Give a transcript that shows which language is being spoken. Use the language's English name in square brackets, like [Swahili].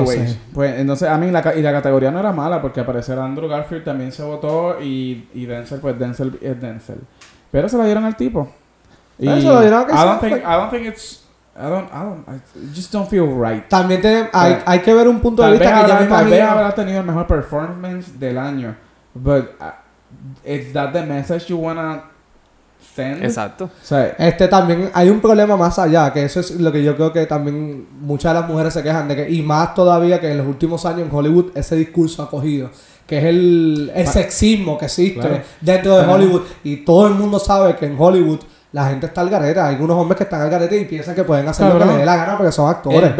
[Spanish] Anyway, pues entonces a mí la categoría no era mala porque aparecer Andrew Garfield también se votó y Denzel, pues Denzel es Denzel. Pero se la dieron al tipo. Y se lo dieron a [English] Casey Affleck. I just don't feel right. [Spanish] También hay que ver un punto de vista. Tal vez habrá tenido el mejor performance del año. [English] But is that the message you wanna send? [Spanish] Exacto. Sí. También hay un problema más allá, que eso es lo que yo creo que también muchas de las mujeres se quejan de que, y más todavía que en los últimos años en Hollywood ese discurso ha cogido, que es el sexismo que existe dentro de Hollywood. Y todo el mundo sabe que en Hollywood la gente está al garete. Hay unos hombres que están al garete y piensan que pueden hacer lo que les dé la gana porque son actores.